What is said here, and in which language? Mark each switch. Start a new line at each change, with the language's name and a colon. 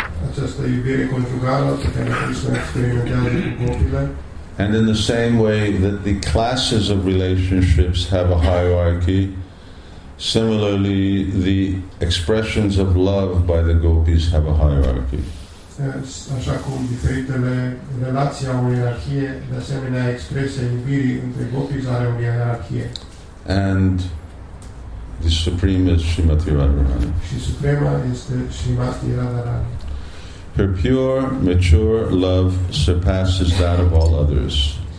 Romanian: Această iubire conjugală pe care Krishna experimentează cu gopile.
English: And in the same way that the classes of relationships have a hierarchy, similarly, the expressions of love by the gopis have a hierarchy.
Romanian: Așa cum diferitele relații au o ierarhie, de asemenea, expresia iubirii între gopis are o ierarhie.
English: And the supreme is Srimati Radharani.
Romanian: Și suprema este Srimati Radharani.
English: Her pure, mature love surpasses that of all others.